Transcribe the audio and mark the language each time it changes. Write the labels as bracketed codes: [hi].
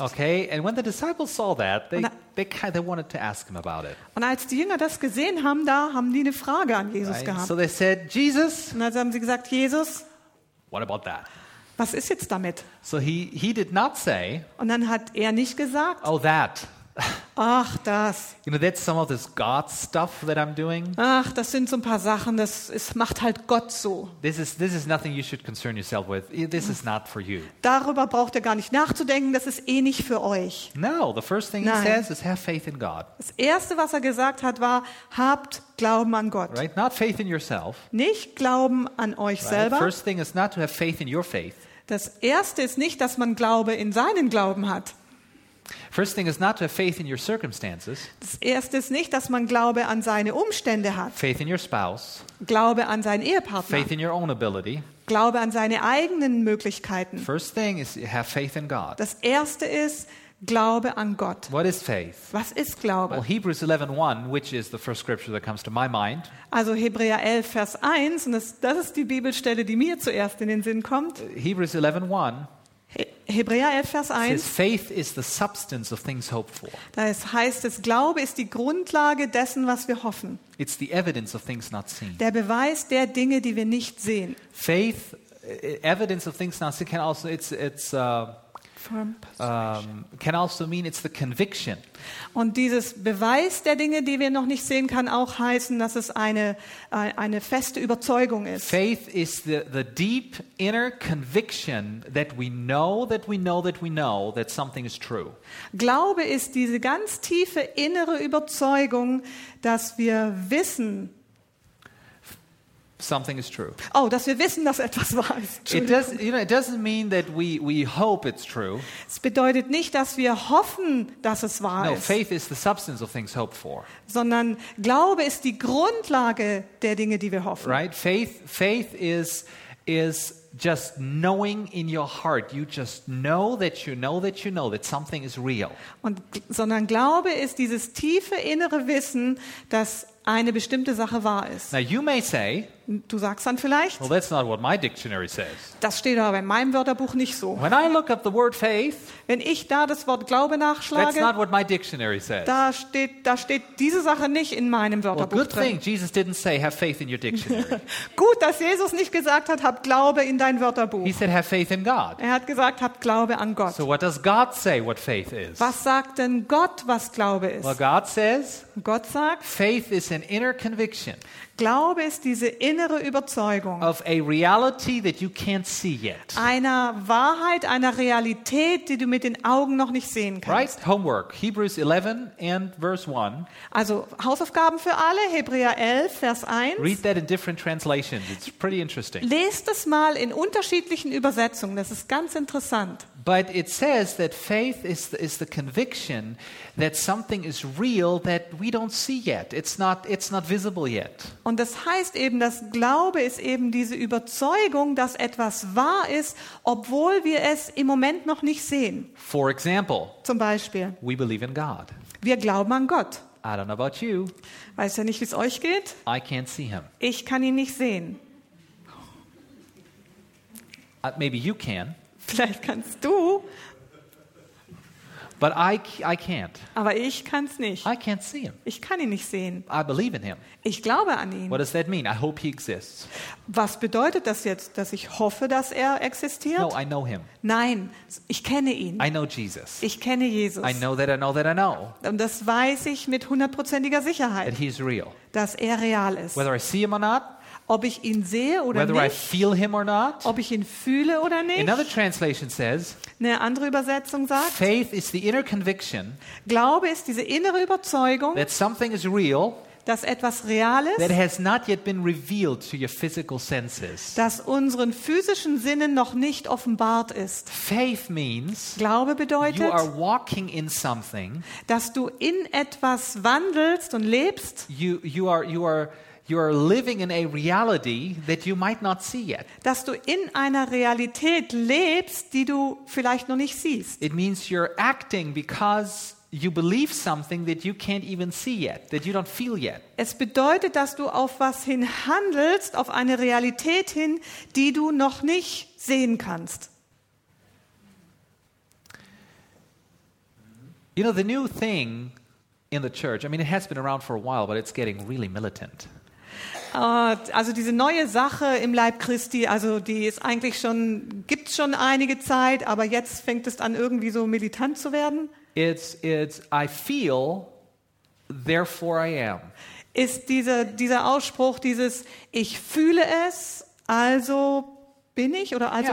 [en] Okay, and when the disciples saw that, they wanted to ask him about it. [de] Und als die Jünger das gesehen haben, da haben die eine Frage an Jesus gehabt. [en] So they said, Jesus. [de] Und dann haben sie gesagt, Jesus. [en] What about that? [de] Was ist jetzt damit? [en] So he did not say. [de] Und dann hat er nicht gesagt. [en] Oh, that. [de] Ach, das. [en] You know, that's some of this God stuff that I'm doing. [de] Ach, das sind so ein paar Sachen, das ist, macht halt Gott so. [en] This is nothing you should concern yourself with. This is not for you. [de] Darüber braucht ihr gar nicht nachzudenken, das ist eh nicht für euch. [en] No, the first thing [de] Nein. [en] he says is have faith in God. [de] Das erste, was er gesagt hat, war habt Glauben an Gott. [en] Right? Not faith in yourself. [de] Nicht Glauben an euch [en] right? [de] selber. [en] The first thing is not to have faith in your faith. [de] Das erste ist nicht, dass man Glaube in seinen Glauben hat. [en] First thing is not to have faith in your circumstances. [de] Das erste ist nicht, dass man Glaube an seine Umstände hat. [en] Faith in your spouse. [de] Glaube an seinen Ehepartner. [en] Faith in your own ability. [de] Glaube an seine eigenen Möglichkeiten. [en] First thing is have faith in God. [de] Das erste ist Glaube an Gott. [en] What is faith? [de] Was ist Glaube? [en] Well, Hebrews 11:1, which is the first scripture that comes to my mind. [de] Also Hebräer 11 Vers 1 und das ist die Bibelstelle, die mir zuerst in den Sinn kommt. [en] Hebrews 11:1. [de] Hebräer 11, Vers 1 [en] says, faith is the substance of things hoped for. [de] Das heißt, das Glaube ist die Grundlage dessen, was wir hoffen. [en] It's the evidence of things not seen. [de] Der Beweis der Dinge, die wir nicht sehen. [en] Faith, evidence of things not seen, can also, can also mean it's the conviction. [de] Und dieses Beweis der Dinge, die wir noch nicht sehen, kann auch heißen, dass es eine feste Überzeugung ist. [en] Faith is the deep inner conviction that we know that we know that we know that something is true. [de] Glaube ist diese ganz tiefe innere Überzeugung, dass wir wissen. [en] Something is true. [de] Oh, dass wir wissen, dass etwas wahr ist. [en] It doesn't mean that we hope it's true. [de] Es bedeutet nicht, dass wir hoffen, dass es wahr ist. [en] No, faith is the substance of things hoped for. [de] Sondern Glaube ist die Grundlage der Dinge, die wir hoffen. [en] Right? Faith is just knowing in your heart. You just know that you know that you know that something is real. [de] Sondern Glaube ist dieses tiefe innere Wissen, dass eine bestimmte Sache wahr ist. [en] Now you may say, [de] du sagst dann vielleicht, [en] well, that's not what my dictionary says. [de] Das steht aber in meinem Wörterbuch nicht so. [en] When I look up the word faith, [de] wenn ich da das Wort Glaube nachschlage, [en] that's not what my dictionary says. [de] Da steht diese Sache nicht in meinem Wörterbuch [en] well, good [de] drin. [en] Thing Jesus didn't say, have faith in your dictionary. [de] Gut, dass Jesus nicht gesagt hat, hab Glaube in dein Wörterbuch. [en] He said, have faith in God. [de] Er hat gesagt, hab Glaube an Gott. [en] So what does God say what faith is? [de] Was sagt denn Gott, was Glaube ist? [en] Well, God says, [de] Gott sagt, [en] faith is an inner conviction. [de] Glaube ist diese innere Überzeugung [en] of a reality that you can't see yet. [de] Einer Wahrheit, einer Realität, die du mit den Augen noch nicht sehen kannst. [en] Right? Homework, Hebrews 11 and verse 1. [de] Also Hausaufgaben für alle, Hebräer 11, Vers 1. [en] Read that in different translations. It's pretty interesting. [de] Lest es mal in unterschiedlichen Übersetzungen, das ist ganz interessant. [en] But it says that faith is the conviction that something is real that we don't see yet. It's not visible yet. [de] Und das heißt eben, dass Glaube ist eben diese Überzeugung, dass etwas wahr ist, obwohl wir es im Moment noch nicht sehen. [en] For example, [de] zum Beispiel, [en] we believe in God. [de] Wir glauben an Gott. [en] I don't know about you. [de] Weiß ja nicht, wie es euch geht. [en] I can't see him. [de] Ich kann ihn nicht sehen. [en] Maybe you can. [de] Vielleicht kannst du. [en] But I can't. [de] Aber ich kann's nicht. [en] I can't see him. [de] Ich kann ihn nicht sehen. [en] I believe in him. [de] Ich glaube an ihn. [en] What does that mean? I hope he exists. [de] Was bedeutet das jetzt, dass ich hoffe, dass er existiert? [en] No, I know him. [de] Nein, ich kenne ihn. [en] I know Jesus. [de] Ich kenne Jesus. [en] I know that I know that I know. [de] Und das weiß ich mit hundertprozentiger Sicherheit. [en] That he's real. [de] Dass er real ist. [en] Whether I see him or not. [de] Ob ich ihn sehe oder [en] whether [de] nicht, [en] I feel him or not, [de] ob ich ihn fühle oder nicht. [en] Another translation says, [de] eine andere Übersetzung sagt, [en] faith is the inner conviction, [de] Glaube ist diese innere Überzeugung, [en] that something is real, [de] dass etwas real ist, [en] that has not yet been revealed to your physical senses, [de] dass unseren physischen Sinnen noch nicht offenbart ist. [en] Faith means, [de] Glaube bedeutet, [en] you are walking in something, [de] dass du in etwas wandelst und lebst. [en] You are living in a reality that you might not see yet. [de] Dass du in einer Realität lebst, die du vielleicht noch nicht siehst. [en] It means you're acting because you believe something that you can't even see yet, that you don't feel yet. [de] Es bedeutet, dass du auf was hin handelst, auf eine Realität hin, die du noch nicht sehen kannst. [en] You know, the new thing in the church, I mean, it has been around for a while, but it's getting really militant. [de] Also diese neue Sache im Leib Christi, also die ist eigentlich schon, gibt's schon einige Zeit, aber jetzt fängt es an irgendwie so militant zu werden. [en] It's I feel, therefore I am. [de] Ist dieser Ausspruch dieses ich fühle es, also bin ich oder also?